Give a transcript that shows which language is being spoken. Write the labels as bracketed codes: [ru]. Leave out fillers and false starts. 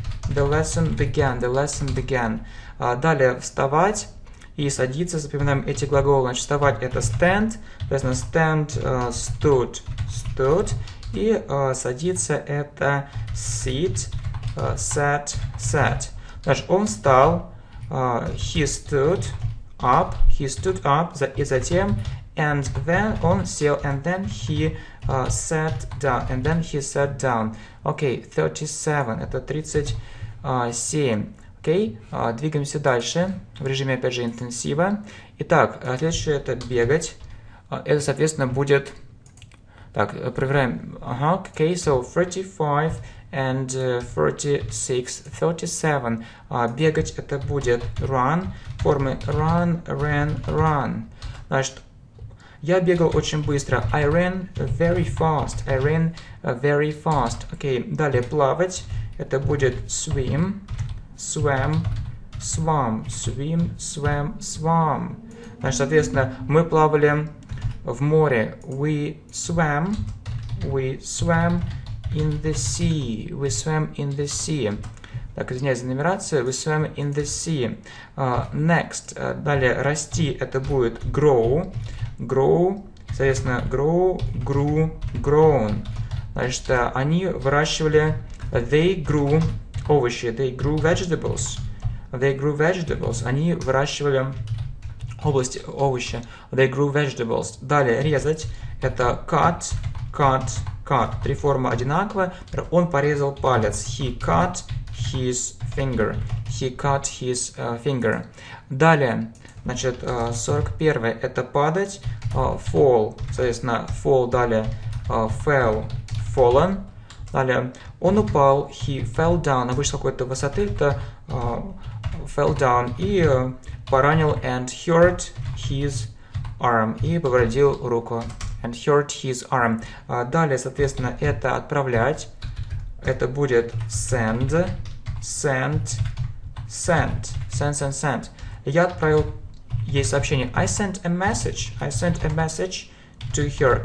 [en] The lesson began, the lesson began. [ru] Далее, вставать и садиться, запоминаем эти глаголы. Значит, вставать это stand, соответственно, stand, stood, stood. И садиться это sit, sat, sat. Значит, он встал, [en] he stood up, he stood up, [ru] и затем [en] and then [ru] он сел, [en] and then he sat down, and then he sat down. Okay, 37, это 37. [ru] Окей, okay, двигаемся дальше в режиме, опять же, интенсива. Итак, следующее это бегать. Это, соответственно, будет... Так, проверяем. [en] Ага, окей, okay, so 35 and 46, 37. [ru] Бегать это будет run, формы run, ran, run. Значит, я бегал очень быстро. [en] I ran very fast. I ran very fast. [ru] Окей, [en] okay. [ru] Далее плавать. [en] Это будет swim, swam, swam. Swim, swam, swam. [ru] Значит, соответственно, мы плавали в море. [en] We swam in the sea. We swam in the sea. [ru] Так, извиняюсь за нумерацию. [en] We swam in the sea. Next. [ru] Далее расти. [en] Это будет grow. Grow, соответственно, grow, grew, grown. [ru] Значит, они выращивали... [en] They grew [ru] овощи. [en] They grew vegetables. They grew vegetables. [ru] Они выращивали области овощи. [en] They grew vegetables. [ru] Далее, резать. [en] Это cut, cut, cut. [ru] Три формы одинаковые. Он порезал палец. [en] He cut his finger. He cut his finger. [ru] Далее, значит, 41-е. Это падать. Fall. Соответственно, fall. Далее, fell. Fallen. Далее, он упал. [en] He fell down. [ru] Обычно какой-то высоты. [en] Это fell down. [ru] И поранил [en] and hurt his arm. [ru] И повредил руку. [en] And hurt his arm. [ru] Далее, соответственно, это отправлять. Это будет send. [en] Sent. Sent. Sent, sent, sent. [ru] Я отправил ей сообщение. [en] I sent a message. I sent a message to her.